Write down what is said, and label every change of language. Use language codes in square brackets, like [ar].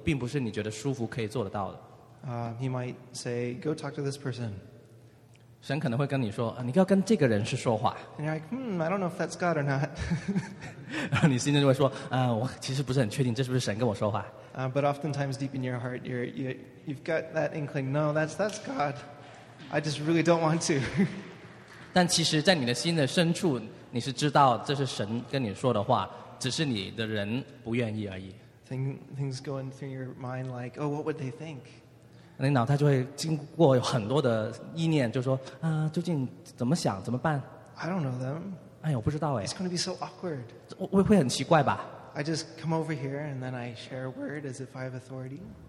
[zh] 因为神许多时候让你去走的一步并不是你觉得舒服可以做得到的。 [en] He might say, go talk to this person. [zh] 神可能会跟你说, 你要跟这个人去说话。 [en] And you're like, I don't know if that's God or not. [zh] 然后你心中就会说, 我其实不是很确定这是不是神跟我说话。 [en] But oftentimes deep in your heart, you've got that inkling, no, that's God. I just really don't want to. [zh] 但其实在你的心的深处, 你是知道这是神跟你说的话, 只是你的人不愿意而已。 [en] Things going through your mind like, oh, what would they think? [zh] 你脑袋就会经过有很多的意念，就说啊，究竟怎么想，怎么办？ [en] I don't know them. [zh] 哎，我不知道哎。 [en] It's going to be so awkward. [zh] 会很奇怪吧？ [en] I just come over here and then I share a word as if I have authority.